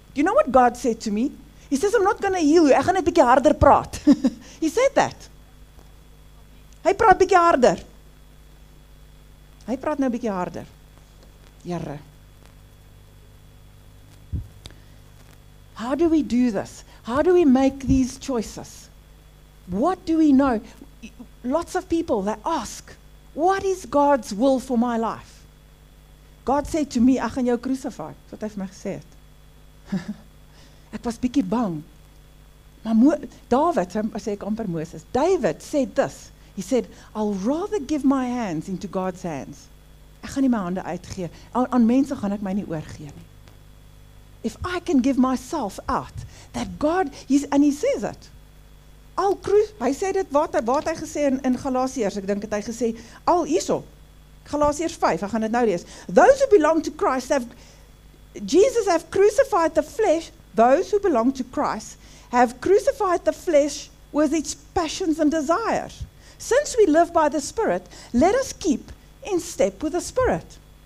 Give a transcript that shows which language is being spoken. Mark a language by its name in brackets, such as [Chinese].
[English] Do you know what God said to me? He says, I'm not going to heal you. [Afrikaans] Ek gaan net bietjie harder praat. [English] He said that. [Afrikaans] Hy praat bietjie harder. Hy praat nou bietjie harder. Here. [English] How do we do this? How do we make these choices? What do we know? Lots of people that ask, what is God's will for my life? God said to me, [Afrikaans] ek gaan jou crucify. Wat hy vir my gesê het. Ek was bietjie bang. Maar David, sê ek amper Moses, [English] David said this. He said, I'll rather give my hands into God's hands. [Afrikaans] Ek gaan nie my hande uitgee. Aan mense gaan ek my nie oorgee nie. [English] If I can give myself out, that God, and he says it. [Afrikaans] Hy sê dit, wat hy gesê in Galatiërs, ek dink het hy gesê, al hierso, Galatiërs 5, ek gaan dit nou lees. [English] Those who belong to Christ have, Jesus have crucified the flesh, those who belong to Christ have crucified the flesh with its passions and desires. Since we live by the Spirit, let us keep in step with the Spirit.